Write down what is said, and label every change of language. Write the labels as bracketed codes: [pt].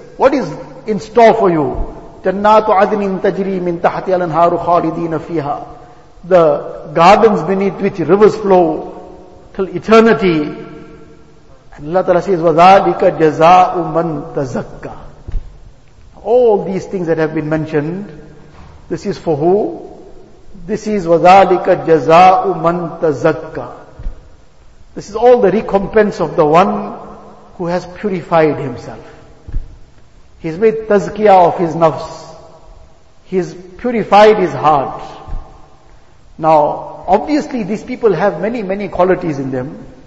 [en] What is in store for you? [ar] جَنَّاتُ عَدْنٍ تَجْرِي مِن تَحْتِ الْأَنْهَارُ خَالِدِينَ فِيهَا, [en] the gardens beneath which rivers flow, till eternity. And Allah Ta'ala says, [ar] وَذَٰلِكَ جَزَاءُ مَنْ تَزَكَّى. [en] All these things that have been mentioned, this is for who? This is [ar] وَذَٰلِكَ جَزَاءُ مَنْ تَزَكَّى. [en] This is all the recompense of the one who has purified himself. He's made tazkiyah of his nafs. He's purified his heart. Now, obviously these people have many, many qualities in them.